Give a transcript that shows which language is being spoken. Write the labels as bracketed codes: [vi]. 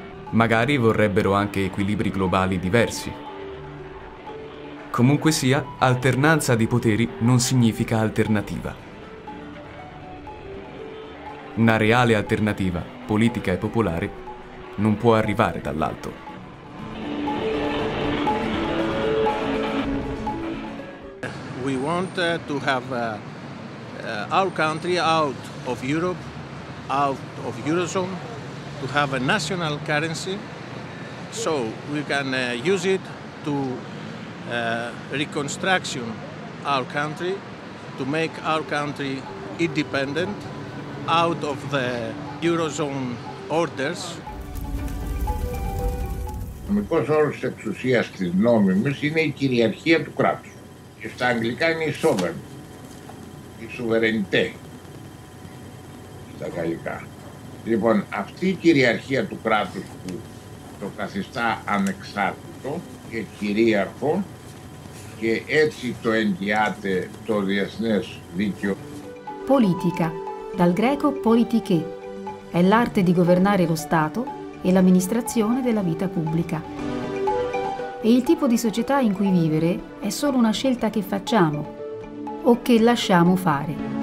[it] Magari vorrebbero anche equilibri globali diversi. Comunque sia, alternanza di poteri non significa alternativa. Una reale alternativa, politica e popolare, non può arrivare dall'alto. [en] We want to have our country out of Europe, out of Eurozone, to have a national currency so we can use it to reconstruction our country, to make our country independent, out of the Eurozone orders. [el] Ο νομικός όρος της εξουσίας της νόμιμης είναι η κυριαρχία του κράτους. Και στα αγγλικά είναι η sovereign. Η σουβερενιτέ στα γαλλικά. Λοιπόν, αυτή η κυριαρχία του κράτους που το καθιστά ανεξάρτητο και κυρίαρχο και έτσι το εγγυάται το διεθνές δίκαιο. [it] Πολιτικά, dal greco politiche, è l'arte di governare lo Stato e l'amministrazione della vita pubblica. E il tipo di società in cui vivere è solo una scelta che facciamo o che lasciamo fare.